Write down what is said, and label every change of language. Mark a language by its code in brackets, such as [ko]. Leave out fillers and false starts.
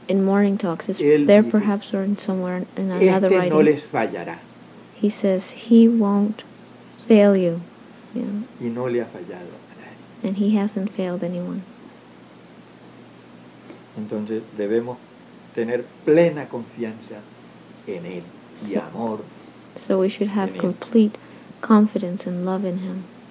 [en] in morning talks, it's there dice, perhaps or in somewhere in another este writing. [es] No les fallará. [en] He says he won't fail you. Yeah. [es] Y no le ha fallado. [en] And he hasn't failed anyone. [es] Entonces debemos tener plena confianza en él y amor. [en] So we should have complete confidence and love in him.